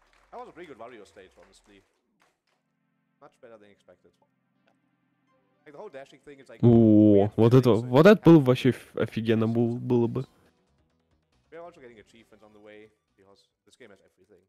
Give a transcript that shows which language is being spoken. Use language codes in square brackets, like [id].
[en] That was a pretty good Wario stage, honestly. Much better than expected. Like the whole dashing thing is like... [ru] Вот это было вообще офигенно было бы. [en] We are also getting achievements on the way, because this game has everything.